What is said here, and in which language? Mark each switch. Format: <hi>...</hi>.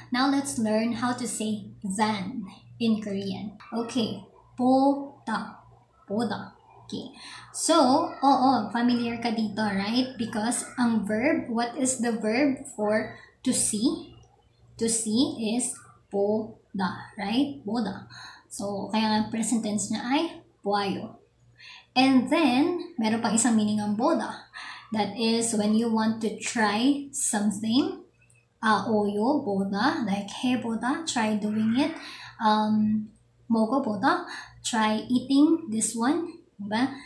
<en>Now let's learn how to say than in Korean.</en> <ko>Okay, 보다. 보다. Okay.</ko> <en>So, familiar</en> <tl>ka dito,</tl> <en>right? Because ang verb, what is the verb for to see? To see is 보다, right? 보다.</en> <tl>So, kaya nga</tl> <en>present tense</en> <tl>niya ay 보아요.</tl> <en>And then,</en> <tl>meron pang isang meaning ng 보다.</tl> <en>That is, when you want to try something, 아오요, 보다, like 해보다, try doing it, 먹어보다, try eating this one,</en> <tl>diba?</tl>